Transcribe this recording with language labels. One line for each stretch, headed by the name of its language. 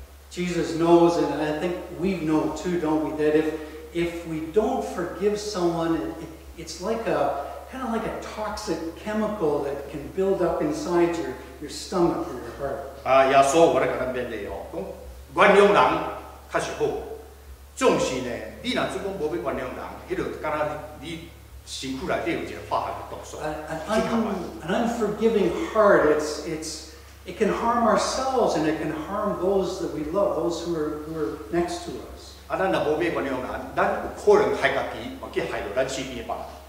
English: Jesus knows, and I think we know too, don't we, that if we don't forgive someone, it's like a kind of like a toxic chemical that can build up inside your stomach or your heart.
Min Nan Chinese: 啊，耶稣，我来给咱勉励哦，讲原谅人较是好。总是呢，你若只讲无要原谅人，迄就敢若你身躯内底有一个化学的毒素。
English: An unforgiving heart, it can harm ourselves and it can harm those that we love, those who are next to us.
Min Nan Chinese: 啊，咱若无要原谅人，咱有可能害家己，或去害到咱身边的人。